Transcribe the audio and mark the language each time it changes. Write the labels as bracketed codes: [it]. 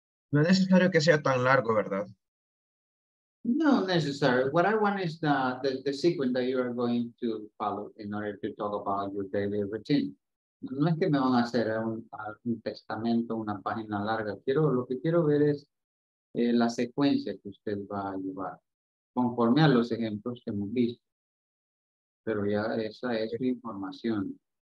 [es] No es necesario que sea tan largo, ¿verdad? [en] No necessary. What I want is the sequence that you are going to follow in order to talk about your daily routine. [es] No es que me van a hacer un testamento, una página larga. Lo que quiero ver es la secuencia que usted va a llevar, conforme a los ejemplos que hemos visto. Pero ya esa es mi información.